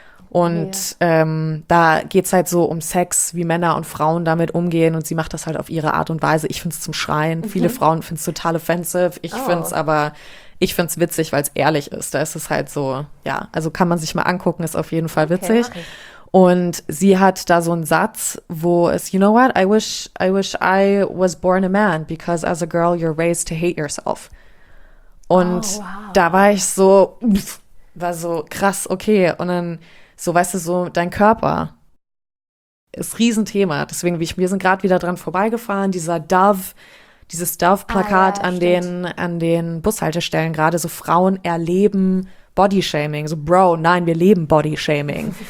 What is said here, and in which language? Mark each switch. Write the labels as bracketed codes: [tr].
[de] Und da geht's halt so um Sex, wie Männer und Frauen damit umgehen. Und sie macht das halt auf ihre Art und Weise. Ich find's zum Schreien. Mhm. Viele Frauen find's total offensive. Ich find's witzig, weil's ehrlich ist. Da ist es halt so, ja, also kann man sich mal angucken, ist auf jeden Fall witzig. Okay, mach ich. Und sie hat da so einen Satz, wo es, [en] you know what, I wish I was born a man, because as a girl you're raised to hate yourself. [de] Und da war ich so, war so krass, okay. Und dann so, weißt du, so dein Körper ist Riesenthema. Deswegen, wir sind gerade wieder dran vorbeigefahren, dieses Dove-Plakat an den Bushaltestellen, gerade so Frauen erleben Bodyshaming. So, Bro, nein, wir leben Bodyshaming.